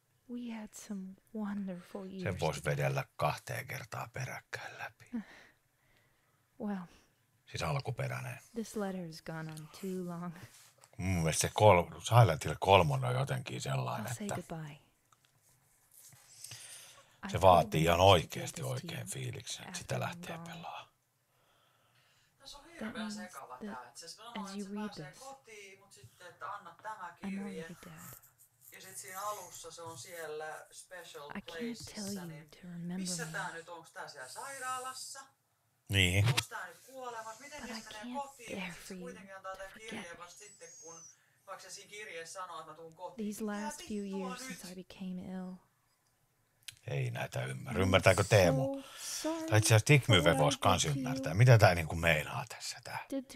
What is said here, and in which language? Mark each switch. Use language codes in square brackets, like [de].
[en] We had some wonderful years. [fi] Sen voisi vedellä kahteen kertaa peräkkäin läpi. [en] Well. [fi] Siis alkuperäinen. [en] This letter has gone on too long. [fi] Mun mielestä se Silent Hill 3 on jotenkin sellainen, [en] I'll [fi] että [en] say goodbye. [fi] Se vaatii ihan oikeasti oikein fiiliksen, että sitä lähtee pelaamaan. Tämä on hirveän sekava tämä, että se sanoo, että se pääsee kotiin, mutta sitten, että anna tämä kirje. Ja sitten siinä alussa se on siellä special placeissa, niin missä tämä nyt, onko tämä siellä sairaalassa? Niin. Onko tämä nyt kuolemassa? Miten niistä menee kotiin? Mutta sitten kuitenkin antaa tämän kirjeen vasta sitten, kun vaikka se siinä kirjeessä sanoo, että mä tuun kotiin. [en] These last few years since I became ill. [fi] Ei näitä ymmärrä. Ymmärtääkö Teemu? So tai itse asiassa Tikmyve voisi kans ymmärtää. Mitä tää niinku meinaa tässä tää?